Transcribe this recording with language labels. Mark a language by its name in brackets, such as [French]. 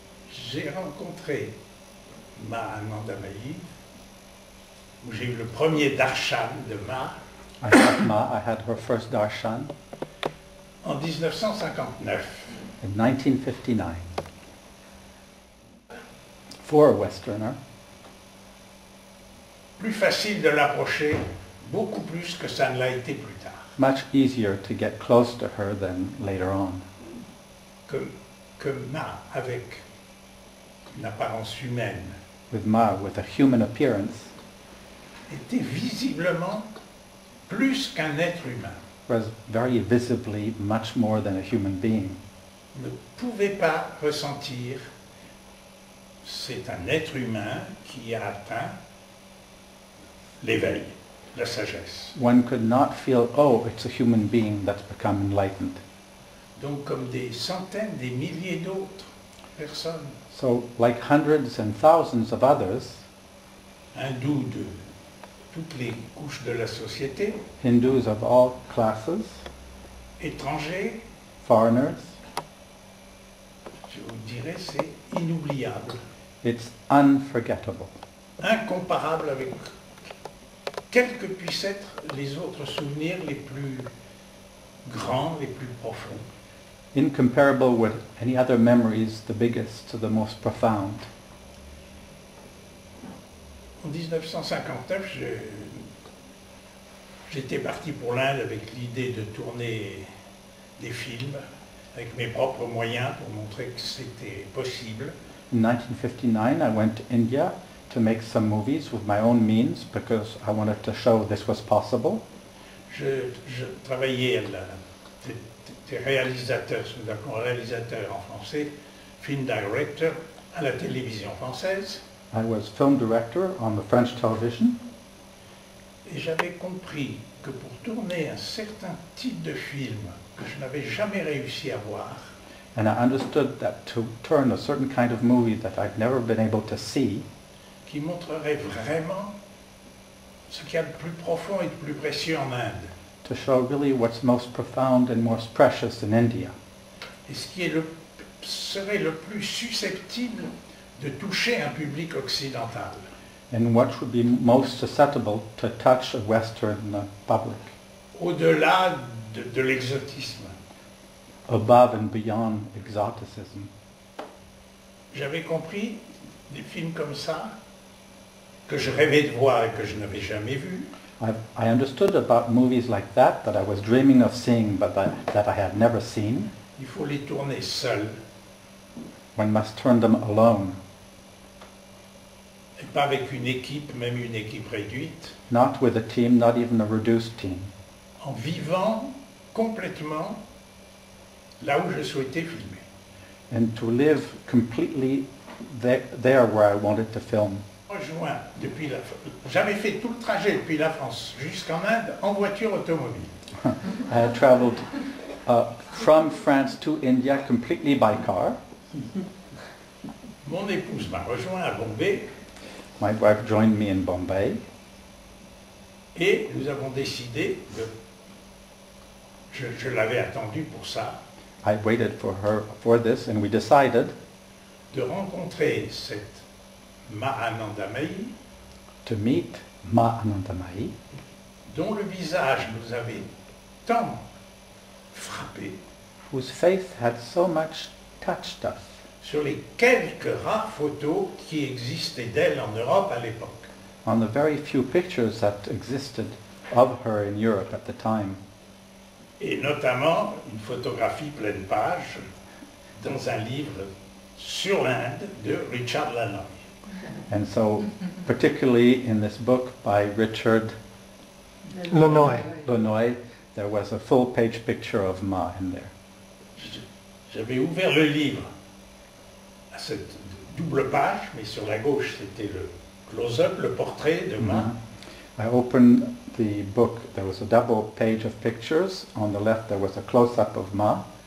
[French] J'ai rencontré Ma Anandamayi. J'ai eu le premier darshan de Ma. [English] I had Ma, I had her first darshan. [French] En 1959. [English] In 1959. For a Westerner. [French] Plus facile de l'approcher, beaucoup plus que ça ne l'a été plus tard. [English] Much easier to get close to her than later on. [French] Que Ma, avec une apparence humaine. [English] With Ma, with a human appearance. [French] Était visiblement plus qu'un être humain. [English] Was very visibly much more than a human being. [French] Ne pouvait pas ressentir, c'est un être humain qui a atteint l'éveil, la sagesse. [English] One could not feel, oh, it's a human being that's become enlightened. [French] Donc comme des centaines, des milliers d'autres personnes. [English] So, like hundreds and thousands of others. [French] Hindous de toutes les couches de la société. [English] Hindus of all classes. [French] Étrangers. [English] Foreigners. [French] Je vous dirais, c'est inoubliable. [English] It's unforgettable. [French] Incomparable avec quels que puissent être les autres souvenirs les plus grands, les plus profonds. [English] Incomparable with any other memories, the biggest to the most profound. [French] En 1959, j'étais parti pour l'Inde avec l'idée de tourner des films avec mes propres moyens pour montrer que c'était possible. [English] In 1959, I went to India to make some movies with my own means because I wanted to show this was possible. [French] Je travaillais là. J'étais réalisateur, sous l'appelant réalisateur en français, [English] film director [French] à la télévision française. [English] I was film director on the French television. [French] Et j'avais compris que pour tourner un certain type de film que je n'avais jamais réussi à voir. [English] And I understood that to turn a certain kind of movie that I'd never been able to see. [French] Qui montrerait vraiment ce qu'il y a de plus profond et de plus précieux en Inde. [English] To show really what's most profound and most precious in India. [French] Et ce qui serait le plus susceptible de toucher un public occidental. [English] And what would be most susceptible to touch a Western public. [French] Au-delà de l'exotisme. [English] Above and beyond exoticism. [French] J'avais compris des films comme ça, que je rêvais de voir et que je n'avais jamais vu. [English] I understood about movies like that, that I was dreaming of seeing, but that I had never seen. [French] Il faut les tourner seul. [English] One must turn them alone. [French] Et pas avec une équipe, même une équipe réduite. [English] Not with a team, not even a reduced team. [French] En vivant complètement là où je souhaitais filmer. [English] And to live completely there where I wanted to film. [French] Rejoint depuis la j'avais fait tout le trajet depuis la France jusqu'en Inde en voiture automobile. [English] I had traveled from France to India completely by car. [French] Mon épouse m'a rejoint à Bombay. [English] My wife joined me in Bombay. [French] Et nous avons décidé de... Je l'avais attendu pour ça. [English] I waited for her for this and we decided [French] de rencontrer cette Ma Anandamayi. [English] To meet Ma Anandamayi. [French] Dont le visage nous avait tant frappé. [English] Whose face had so much touched us. [French] Sur les quelques rares photos qui existaient d'elle en Europe à l'époque. [English] On the very few pictures that existed of her in Europe at the time. [French] Et notamment une photographie pleine page dans un livre sur l'Inde de Richard Lanoy. [English] And so, particularly in this book by Richard Lanoy, there was a full page picture of Ma in there. [French] J'avais ouvert le livre. Cette double page, mais sur la gauche, c'était le close-up, le portrait de Ma. [English] I opened the book. There was a double page of pictures. On the left, there was a close-up of Ma.